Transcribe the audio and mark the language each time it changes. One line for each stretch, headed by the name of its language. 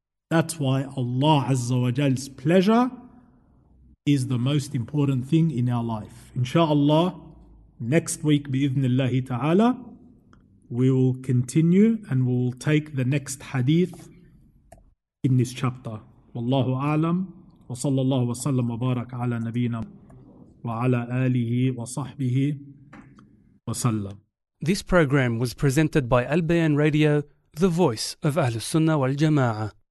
English: That's why Allah Azza wa Jal's pleasure is the most important thing in our life. Insha'Allah, next week,
Arabic: bi'ithnillahi ta'ala,
English: we will continue and we will take the next hadith in this chapter.
Arabic: والله أعلم، وصلى الله وسلم وبارك على نبينا وعلى آله وصحبه وسلم.
English: This program was presented by Al Bayan Radio, the voice of Ahlus Sunnah wal Jama'ah.